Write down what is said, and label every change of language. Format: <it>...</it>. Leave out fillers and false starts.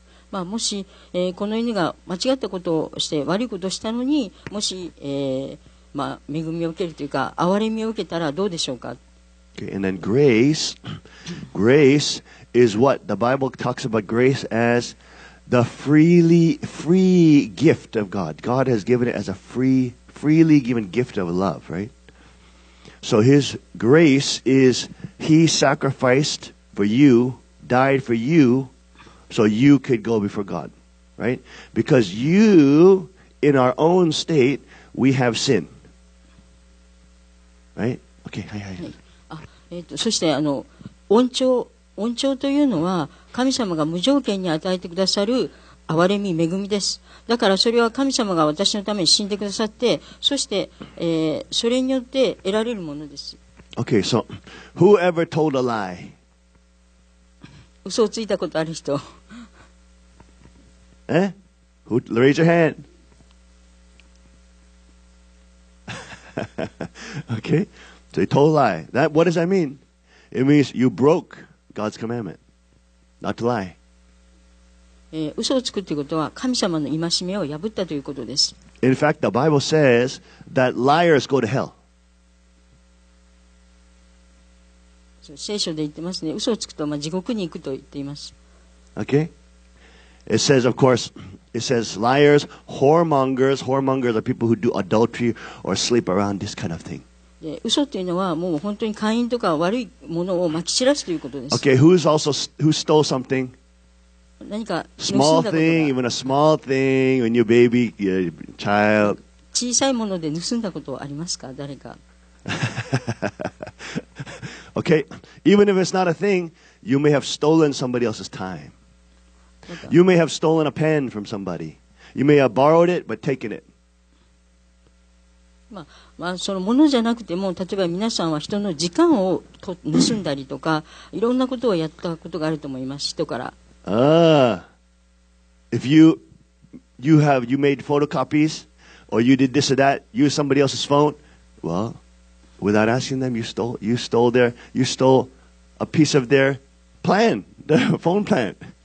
<ja>まあ、もし、この犬が間違ったことをして悪いことをしたのにもし、まあ、恵みを受けるというか憐れみを受けたらどうでしょうか。</ja> <en>Okay, and then grace. Grace is what the Bible talks about grace as the free gift of God. God has given it as a freely given gift of love, right? So his grace is he sacrificed for you, died for youSo you could go before God, right? Because you, in our own state, we have sin. Right? Okay, hi, hi, hi.</en> <ja>そして、恩寵というのは、神様が無条件に与えてくださる憐れみ、恵みです。だからそれは神様が私のために死んでくださって、そして、それによって得られるものです。</ja> <en>Okay, so, whoever told a lie?</en> <ja>嘘をついたことある人。</ja> <en>え、Who? Raise your hand. Okay. So you told a lie. That, what does that mean? It means you broke God's commandment. Not to lie.</en> <ja>嘘をつくということは神様の戒めを破ったということです。</ja> <en>In fact, the Bible says that liars go to hell.</en> <ja>聖書で言ってますね。嘘をつくと、まあ、地獄に行くと言っています。</ja> <en>Okay. It says, of course, it says liars, whoremongers. Whoremongers are people who do adultery or sleep around this kind of thing.</en> <ja>嘘っていうのはもう本当に会員とか悪いものを撒き散らすということです。</ja> <en>Okay. Who's also who stole something?</en> <ja>何か</ja> <en>small thing, even a small thing, when you baby, your child.</en> <ja>小さいもので盗んだことはありますか、誰か。</ja> <en>Okay, even if it's not a thing, you may have stolen somebody else's time. You may have stolen a pen from somebody. You may have borrowed it, but taken it.</en> <ja>まあ、まあ、そのものじゃなくても、例えば皆さんは人の時間を盗んだりとか、いろんなことをやったことがあると思います、人から。</ja> <en>If you made photocopies, or you did this or that, use somebody else's phone, well... Without asking them, you stole a piece of their plan, the phone plan.</en>